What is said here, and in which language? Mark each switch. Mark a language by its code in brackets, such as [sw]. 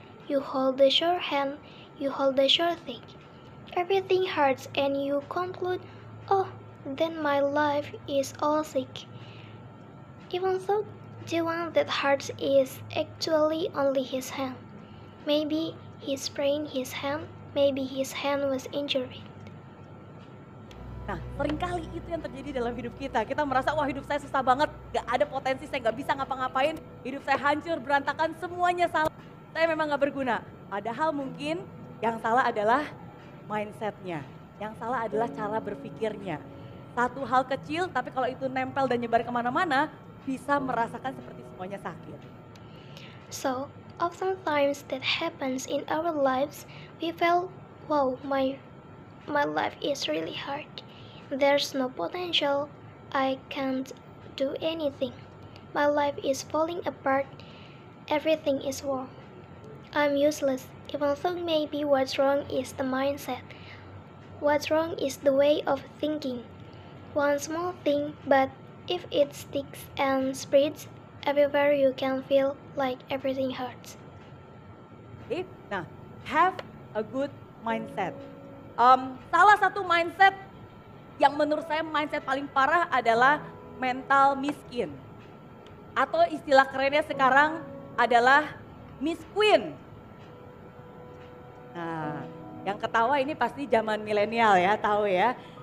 [en] You hold the sore hand. You hold the sore thing. Everything hurts and you conclude, oh, then my life is all sick. Even though the one that hurts is actually only his hand. Maybe he sprained his hand. Maybe his hand was injured. [id] Nah, seringkali itu yang terjadi dalam hidup kita. Kita merasa, wah hidup saya susah banget. Gak ada potensi, saya gak bisa ngapa-ngapain. Hidup saya hancur, berantakan, semuanya salah. Saya memang gak berguna. Padahal mungkin yang salah adalah mindsetnya. Yang salah adalah cara berpikirnya. Satu hal kecil, tapi kalau itu nempel dan nyebar kemana-mana, bisa merasakan seperti semuanya sakit. [en] So, oftentimes that happens in our lives, we feel, wow, my life is really hard. There's no potential. I can't do anything. My life is falling apart. Everything is wrong. I'm useless. Even though maybe what's wrong is the mindset. What's wrong is the way of thinking. One small thing, but if it sticks and spreads everywhere, you can feel like everything hurts. If, nah, have a good mindset. [id] Salah satu mindset yang menurut saya mindset paling parah adalah mental miskin. Atau istilah kerennya sekarang adalah Miss Queen. Nah, yang ketawa ini pasti zaman milenial ya, tahu ya.